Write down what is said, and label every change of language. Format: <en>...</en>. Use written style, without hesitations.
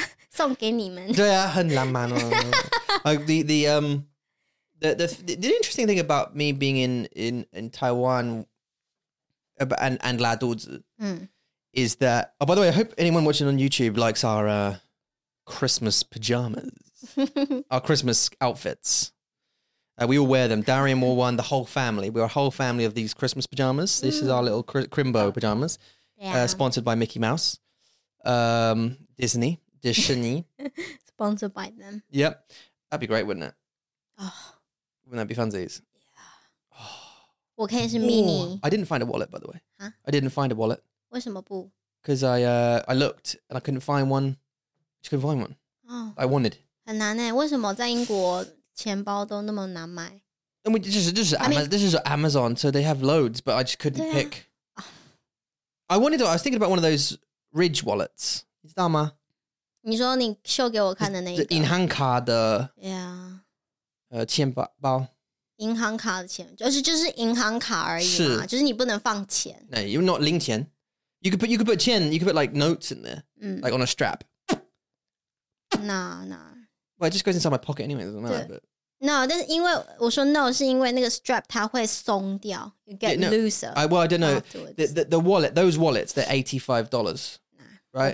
<zh>送给你们。对啊，很浪漫哦。</zh> <en>the interesting thing about me being in Taiwan about, and 拉肚子 is that, oh, by the way, I hope anyone watching on YouTube likes our Christmas pajamas, our Christmas outfits. We all wear them. Darian wore one, the whole family. We're a whole family of these Christmas pajamas. This is our little Crimbo pajamas, sponsored by Mickey Mouse, Disney. Sponsored by them. Yep. That'd be great, wouldn't it? Oh. Wouldn't that be funsies?</en> <zh>Yeah. Oh. 我可以是 mini.</zh> <en>I didn't find a wallet, by the way. Huh? I didn't find a wallet.</en> <zh>为什么不?</zh> <en>Because I looked and I couldn't find one. Just couldn't find one. Oh. I wanted.</en> <zh>很难耶,为什么在英国钱包都那么难买?</zh> <en>I mean, this is Amazon, so they have loads, but I just couldn't pick. Oh. I was thinking about one of those Ridge wallets.</en> <zh>你知道吗? 你说你秀给我看的那一个银行卡的 钱包银行卡的钱 就是银行卡而已嘛 就是你不能放钱</zh> <en>No, you're not 零钱 You could put 钱 You could put like notes in there Like on a strap No Well, it just goes inside my pocket anyway It doesn't matter but...</en> <zh>No, 但是因为我说 no 是因为那个 strap 它会松掉 You get looser</zh> <en>Well, I don't know the wallet Those wallets They're $85 Right.</en>